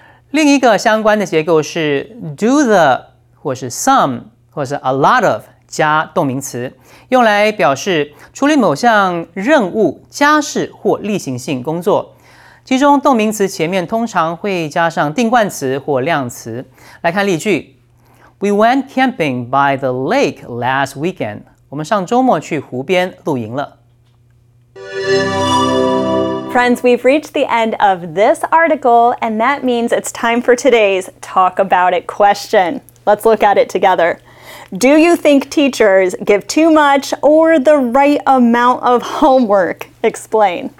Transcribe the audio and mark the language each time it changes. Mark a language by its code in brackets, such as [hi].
[zh] 另一个相关的结构是 do the 或是 some 或是 a lot of 加动名词，用来表示处理某项任务、家事或例行性工作。其中动名词前面通常会加上定冠词或量词。来看例句。 [en] We went camping by the lake last weekend. [zh] 我们上周末去湖边露营了。 [en] Friends, we've reached the end of this article, and that means it's time for today's Talk About It question. Let's look at it together. Do you think teachers give too much or the right amount of homework? Explain.